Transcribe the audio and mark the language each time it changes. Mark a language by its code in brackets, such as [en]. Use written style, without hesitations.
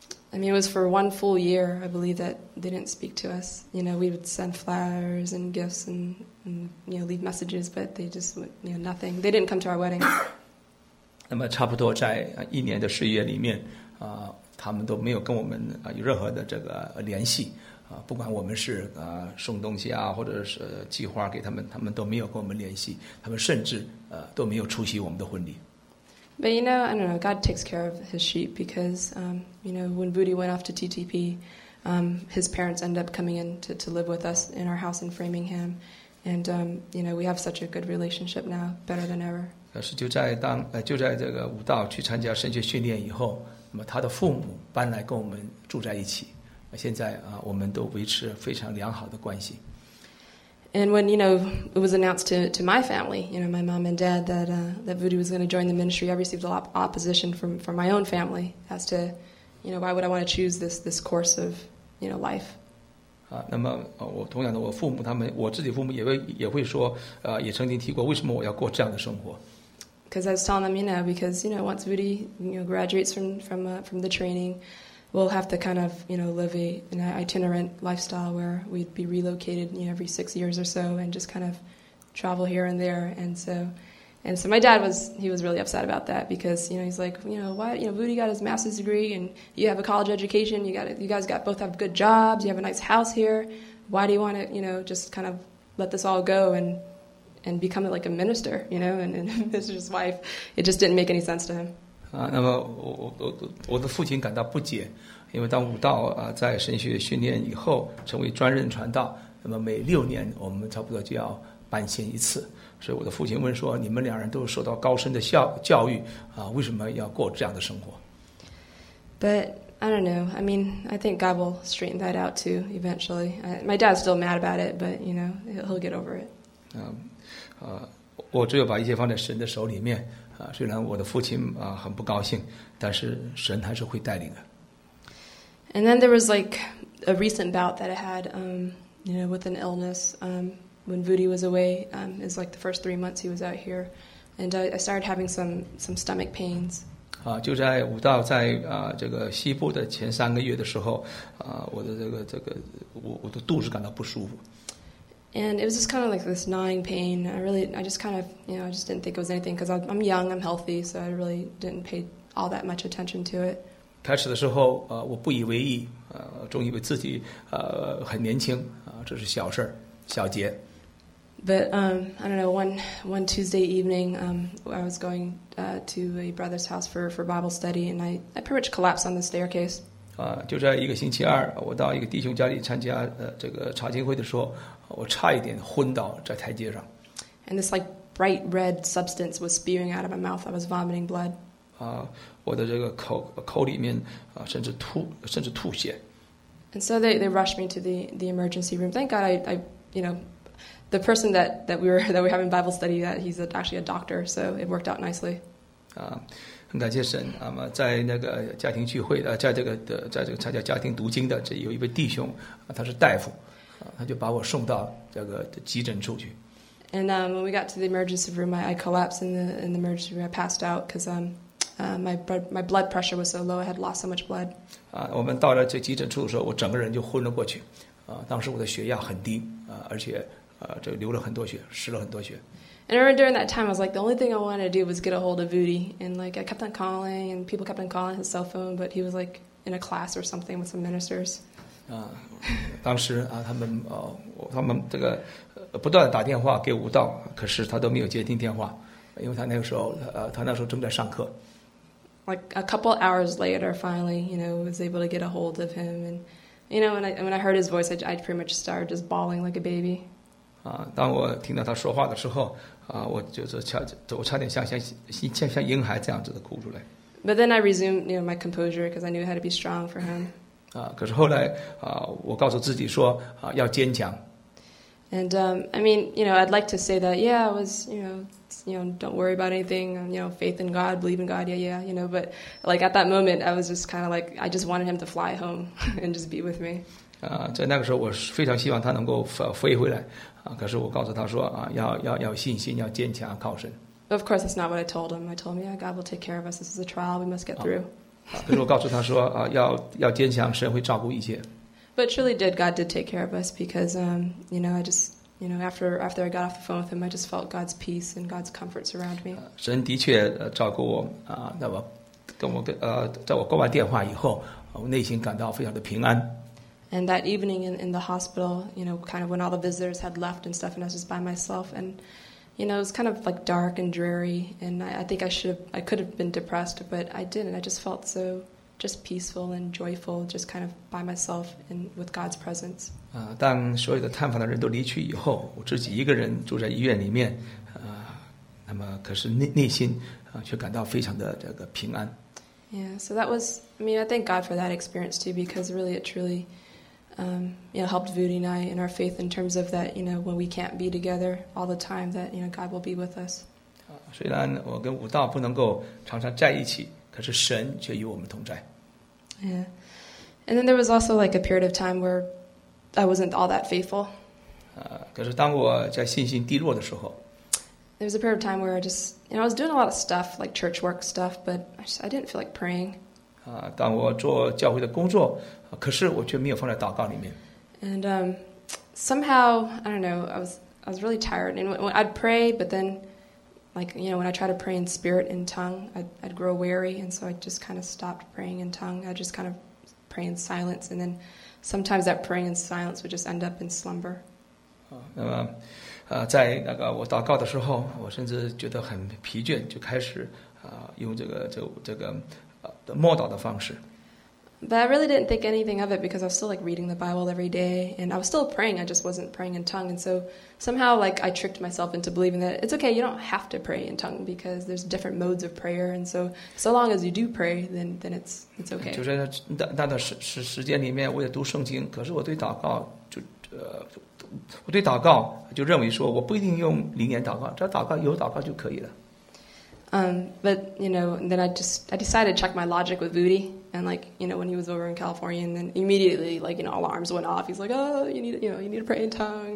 [en] I mean, it was for one full year, I believe, that they didn't speak to us. You know, we would send flowers and gifts and you know, leave messages, but they just, you know, nothing. They didn't come to our wedding. [zh] 那么差不多在一年的十月里面，他们都没有跟我们有任何的这个联系，不管我们是送东西啊，或者是计划给他们，他们都没有跟我们联系，他们甚至都没有出席我们的婚礼。 [en] But you know, I don't know, God takes care of his sheep because, you know, when Budi went off to TTP, his parents ended up coming in to live with us in our house in Framingham. And, you know, we have such a good relationship now, better than ever. [zh] 但是就在这个武道去参加神学训练以后，那么他的父母搬来跟我们住在一起。现在我们都维持非常良好的关系。 [en] And when, you know, it was announced to my family, you know, my mom and dad, that, that Voodoo was going to join the ministry, I received a lot of opposition from my own family as to, you know, why would I want to choose this course of, you know, life. [zh] 那么我同样的，我父母他们，我自己父母也会说，也曾经提过，为什么我要过这样的生活？ [en] Because I was telling them, you know, because, you know, once Voodoo, you know, graduates from the training, we'll have to kind of, you know, live an itinerant lifestyle where we'd be relocated, you know, every 6 years or so and just kind of travel here and there. And so my dad was really upset about that because, you know, he's like, you know, why, you know, Voodoo got his master's degree and you have a college education, you guys both have good jobs, you have a nice house here. Why do you want to, you know, just kind of let this all go and become like a minister, you know, and minister's wife? It just didn't make any sense to him. [zh] 那么我的父亲感到不解，因为当武道在神学训练以后成为专任传道，那么每六年我们差不多就要搬迁一次，所以我的父亲问说，你们两人都受到高深的教育为什么要过这样的生活？ [en] But I don't know, I mean, I think God will straighten that out too eventually. My dad's still mad about it, but you know, he'll get over it. [zh] 我只有把一切放在神的手里面，虽然我的父亲很不高兴，但是神还是会带领的。 [en] And then there was like a recent bout that I had, you know, with an illness. When Voodoo was away, is like the first 3 months he was out here, and I started having some stomach pains. [zh] 就在武道在这个西部的前三个月的时候，我的这个我的肚子感到不舒服。 [en] And it was just kind of like this gnawing pain. I just kind of, you know, I just didn't think it was anything because I'm young, I'm healthy, so I really didn't pay all that much attention to it. [zh] 开始的时候，我不以为意，总以为自己很年轻，这是小事儿，小节。 [en] But I don't know. One Tuesday evening, I was going to a brother's house for Bible study, and I pretty much collapsed on the staircase. [zh] 就在一个星期二，我到一个弟兄家里参加这个查经会的时候。我差一点昏倒在台阶上。 [en] And this like bright red substance was spewing out of my mouth. I was vomiting blood. [zh] 我的这个口里面甚至吐血。 [en] And so they rushed me to the emergency room. Thank God I you know, the person that we were having Bible study that he's actually a doctor, so it worked out nicely. [zh] 很感谢神。那么在那个家庭聚会在这个参加家庭读经的这有一位弟兄，他是大夫。他就把我送到这个急诊处去。 [en] And when we got to the emergency room, I collapsed in the emergency room. I passed out because my blood pressure was so low. I had lost so much blood. [zh] 我们到了这急诊处的时候，我整个人就昏了过去。当时我的血压很低，而且这流了很多血，失了很多血。 [en] And I remember during that time, I was like, the only thing I wanted to do was get a hold of Voodoo. And like, I kept on calling, and people kept on calling his cell phone, but he was like in a class or something with some ministers. [zh] 当时他们这个不断打电话给武道，可是他都没有接听电话，因为他那时候正在上课。 [en] Like a couple hours later, finally, you know, was able to get a hold of him, and you know, when I heard his voice, I pretty much started just bawling like a baby. [zh] 当我听到他说话的时候，我差点像婴孩这样子的哭出来。 [en] But then I resumed, you know, my composure because I knew I had to be strong for him. [zh] 可是后来我告诉自己说要坚强。 [en] And I mean, you know, I'd like to say that, yeah, I was, you know, don't worry about anything, you know, faith in God, believe in God, yeah, you know, but like at that moment, I was just kind of like, I just wanted him to fly home and just be with me. [zh] 在那个时候，我非常希望他能够飞回来可是我告诉他说要信心，要坚强，靠神。 [en] Of course, that's not what I told him. I told him, yeah, God will take care of us. This is a trial. We must get through. [zh] 可是我告诉他说要坚强，神会照顾一切。 [en] But truly, God did take care of us because, you know, I just, you know, after I got off the phone with him, I just felt God's peace and God's comforts around me. [zh] 神的确照顾我那么跟我在我挂完电话以后，我内心感到非常的平安。 [en] And that evening in the hospital, you know, kind of when all the visitors had left and stuff, and I was just by myself, and, you know, it was kind of like dark and dreary, and I think I could have been depressed, but I didn't. I just felt so just peaceful and joyful, just kind of by myself and with God's presence. [zh] 当所有的探访的人都离去以后，我自己一个人住在医院里面，那么可是内心却感到非常的这个平安。 [en] Yeah, so that was, I mean, I thank God for that experience too, because really it truly, you know, helped Vudi and I in our faith in terms of that, you know, when we can't be together all the time, that, you know, God will be with us. [zh] 虽然我跟武道不能够常常在一起，可是神却与我们同在。 [en] Yeah, and then there was also like a period of time where I wasn't all that faithful. [zh] 可是当我在信心低落的时候， [en] there was a period of time where I just, you know, I was doing a lot of stuff, like church work stuff, but I didn't feel like praying. [zh] 当我做教会的工作，可是我却没有放在祷告里面。 [en] And somehow, I don't know, I was really tired. And when I'd pray, but then, like, you know, when I try to pray in spirit, in tongue, I'd grow weary, and so I just kind of stopped praying in tongue. I just kind of pray in silence, and then sometimes that praying in silence would just end up in slumber. [zh] 在那个我祷告的时候，我甚至觉得很疲倦，就开始用这个默祷的方式。 [en] But I really didn't think anything of it because I was still like reading the Bible every day, and I was still praying. I just wasn't praying in tongue, and so somehow like I tricked myself into believing that it's okay. You don't have to pray in tongue because there's different modes of prayer, and so long as you do pray, then it's okay. [zh] 就在那段时间里面，我也读圣经，可是我对祷告就。我对祷告就认为说，我不一定用灵言祷告，只要祷告有祷告就可以了。 [en] But you know, then I decided to check my logic with Vudi, and like, you know, when he was over in California, and then immediately, like, you know, alarms went off. He's like, oh, you need to pray in tongue.